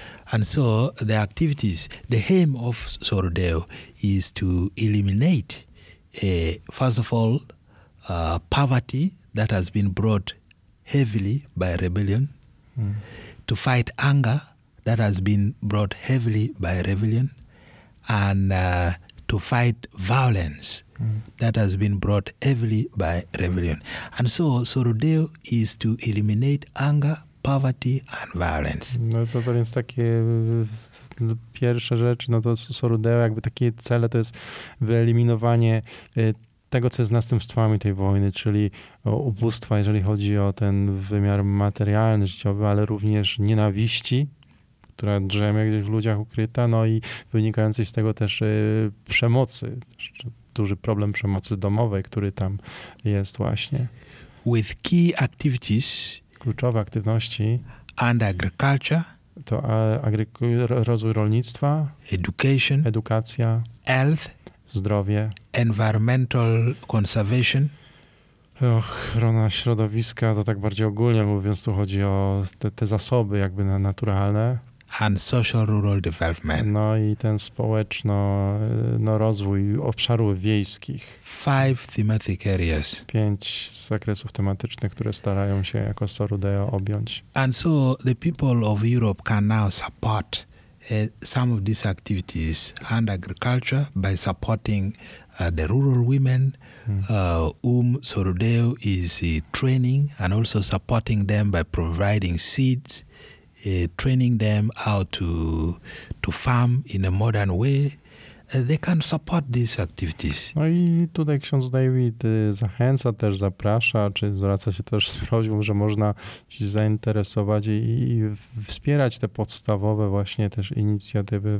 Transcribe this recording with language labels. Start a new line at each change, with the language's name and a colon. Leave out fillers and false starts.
English: And so the activities, the aim of Surudeo is to eliminate, first of all, poverty that has been brought heavily by rebellion, to fight anger that has been brought heavily by rebellion, and to fight violence that has been brought heavily by rebellion. And so Surudeo is to eliminate anger, poverty and violence.
Polish: No to, to więc takie pierwsze rzeczy, no to Surudeo, jakby takie cele, to jest wyeliminowanie tego, co jest następstwami tej wojny, czyli ubóstwa, jeżeli chodzi o ten wymiar materialny, życiowy, ale również nienawiści, która drzemie gdzieś w ludziach ukryta, no i wynikającej z tego też przemocy, duży problem przemocy domowej, który tam jest właśnie.
English: With key activities,
Polish: kluczowe aktywności.
English: And agriculture.
Polish: To rozwój rolnictwa.
English: Education.
Polish: Edukacja.
English: Health.
Polish: Zdrowie.
English: Environmental conservation.
Polish: Ochrona środowiska, to tak bardziej ogólnie mówiąc, tu chodzi o te zasoby jakby naturalne.
English: And social rural development.
Polish: No i ten społeczno, no rozwój obszarów wiejskich.
English: Five thematic areas.
Polish: Pięć zakresów tematycznych, które starają się jako Surudeo objąć.
English: And so the people of Europe can now support some of these activities and agriculture by supporting the rural women whom Surudeo is training, and also supporting them by providing seeds, training them how to farm in a modern way. They can support these activities.
Polish: No i tutaj ksiądz David zachęca też, zaprasza, czy zwraca się też z prośbą, że można się zainteresować i wspierać te podstawowe właśnie też inicjatywy.